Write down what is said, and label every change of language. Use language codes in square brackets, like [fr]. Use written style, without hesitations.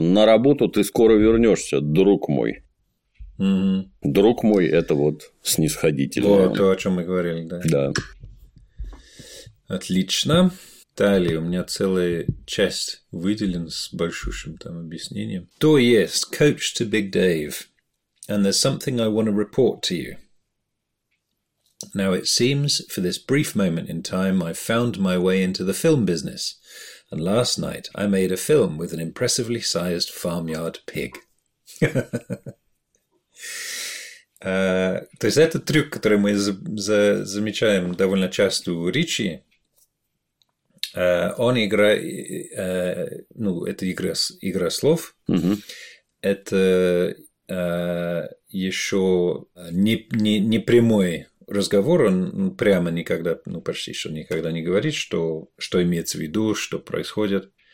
[ru] На работу ты скоро вернешься, друг мой. Mm-hmm. Друг мой – это вот снисходительно. Вот то, о чем мы говорили, да. Да. Отлично. Далее у меня целая часть выделена с большущим там объяснением. То есть, [en] Coach to Big Dave. And there's something I want to report to you. Now it seems, for this brief moment in time, I've found my way into the film business. And last night, I made a film with an impressively sized farmyard pig. [ru] То есть, это трюк, который мы замечаем довольно часто у Ричи. Он играет... ну, это игра слов. Это... еще не прямой разговор, он прямо никогда, ну, почти что никогда не говорит, что имеется в виду, что происходит.